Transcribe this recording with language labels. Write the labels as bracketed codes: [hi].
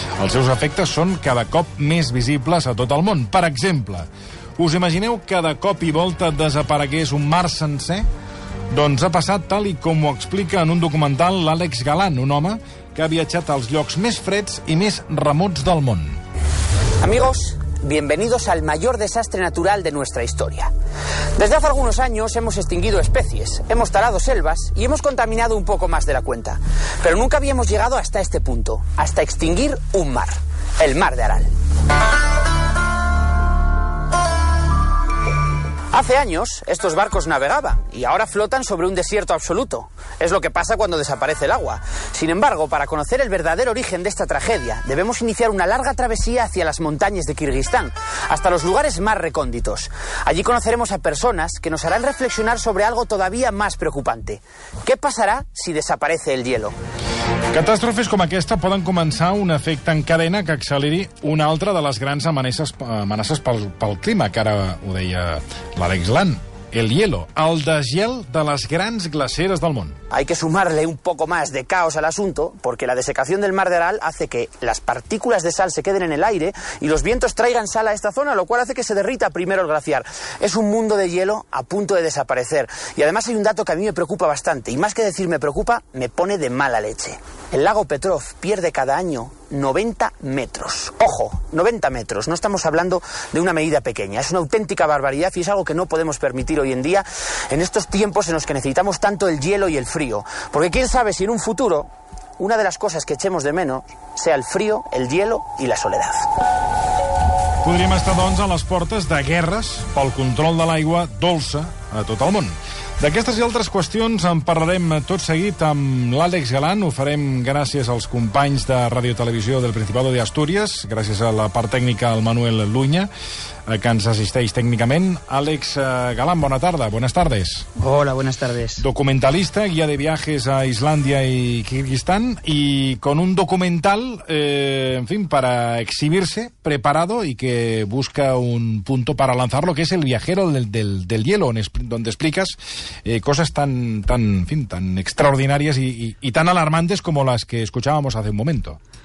[ca] Els seus efectes són cada cop més visibles a tot el món. Per exemple, us imagineu que de cop i volta desaparegués un mar sencer? Doncs ha passat tal i com ho explica en un documental l'Àlex Galán, un home que ha viatjat als llocs més freds i més remots del món. [es] Amigos, bienvenidos al mayor desastre natural de nuestra historia. Desde hace algunos años hemos extinguido especies, hemos talado selvas y hemos contaminado un poco más de la cuenta. Pero nunca habíamos llegado hasta este punto, hasta extinguir un mar, el mar de Aral. Hace años estos barcos navegaban y ahora flotan sobre un desierto absoluto. Es lo que pasa cuando desaparece el agua. Sin embargo, para conocer el verdadero origen de esta tragedia, debemos iniciar una larga travesía hacia las montañas de Kirguistán, hasta los lugares más recónditos. Allí conoceremos a personas que nos harán reflexionar sobre algo todavía más preocupante. ¿Qué pasará si desaparece el hielo? [ca] Catàstrofes com aquesta poden començar un efecte en cadena que acceleri una altra de les grans amenaces pel clima, que ara ho deia l'Àlex Galán. [es] El hielo, [ca] el desgel de les grans glaceres del món. [es] Hay que sumarle un poco más de caos al asunto, porque la desecación del mar de Aral hace que las partículas de sal se queden en el aire y los vientos traigan sal a esta zona, lo cual hace que se derrita primero el glaciar. Es un mundo de hielo a punto de desaparecer. Y además hay un dato que a mí me preocupa bastante, y más que decir me preocupa, me pone de mala leche. El lago Petrov pierde cada año 90 metros. ¡Ojo! 90 metros. No estamos hablando de una medida pequeña. Es una auténtica barbaridad y es algo que no podemos permitir hoy en día en estos tiempos en los que necesitamos tanto el hielo y el frío. Porque quién sabe si en un futuro una de las cosas que echemos de menos sea el frío, el hielo y la soledad. [ca] Podríem estar, doncs, a les portes de guerres pel control de l'aigua dolça a tot el món. D'aquestes i altres qüestions en parlarem tot seguit amb l'Àlex Galán. Ho farem gràcies als companys de Radio Televisió del Principado de Astúries, gràcies a la part tècnica al Manuel Luña, que ens assisteix tècnicament. Àlex Galán, bona tarda. [es] Buenas tardes. Hola, buenas tardes. Documentalista, guia de viajes a Islàndia i Kirguistán i con un documental, en fin, para exhibirse, preparado y que busca un punto para lanzarlo, que es El viajero del hielo, donde explicas cosas tan extraordinarias y tan alarmantes como las que escuchábamos hace un momento.